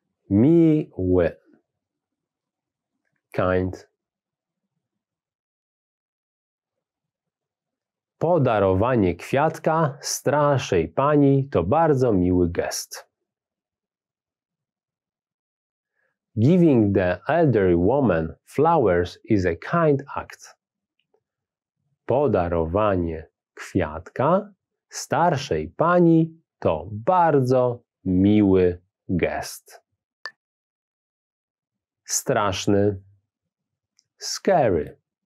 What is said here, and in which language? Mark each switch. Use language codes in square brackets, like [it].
[pl] Miły. Kind. Podarowanie kwiatka starszej pani to bardzo miły gest. [en] Giving the elderly woman flowers is a kind act. [pl] Podarowanie kwiatka starszej pani to bardzo miły gest. Straszny. Scary.